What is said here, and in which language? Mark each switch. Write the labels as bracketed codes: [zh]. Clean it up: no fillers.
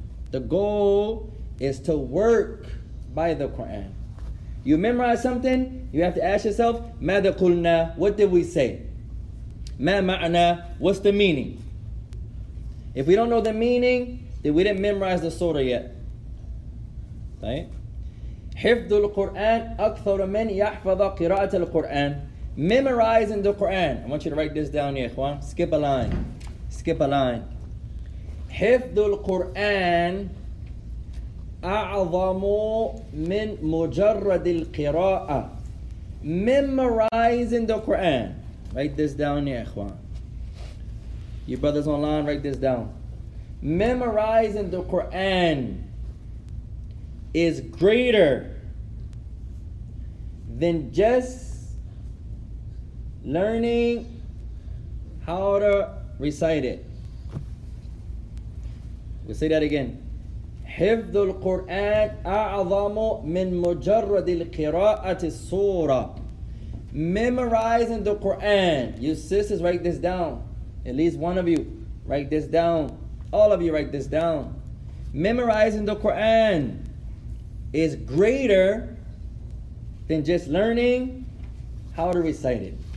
[en] The goal is to work by the Quran. You memorize something, you have to ask yourself, [ar] ماذا قلنا? [en] What did we say? [ar] ما معنا? [en] What's the meaning? If we don't know the meaning, then we didn't memorize the surah yet. Right? [ar] حفظ القرآن أكثر من يحفظ قراءة القرآن. [en] Memorizing the Quran. I want you to write this down here, Ikhwan. Skip a line. [ar] حفظ القرآن أعظم من مجرد القراءة. [en] Memorizing the Quran. Write this down here, Ikhwan. You brothers online, write this down. Memorizing the Quran is greater than just learning how to recite it. We'll say that again. [ar] حفظ القرآن أعظم من مجرد القراءة السورة. [en] Memorizing the Quran. You sisters, write this down. At least one of you, write this down. All of you, write this down. Memorizing the Quran is greater than just learning how to recite it.